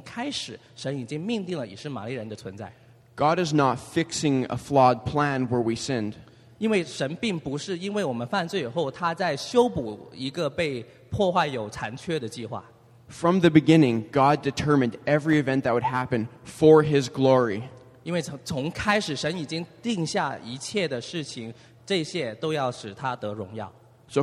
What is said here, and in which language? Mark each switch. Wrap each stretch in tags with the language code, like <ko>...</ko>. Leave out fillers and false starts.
<zh>所以我想说的可能不是神后来要把以实玛利人加在他的计划当中，而是自从开始神已经命定了以实玛利人的存在。</zh> <en>God is not fixing a flawed plan where we sinned.</en> <zh>因为神并不是因为我们犯罪以后，他在修补一个被破坏有残缺的计划。</zh> <en>From the beginning, God determined every event that would happen for His glory.</en> <zh>因为从开始神已经定下一切的事情，这些都要使他得荣耀。</zh> <en>So</en>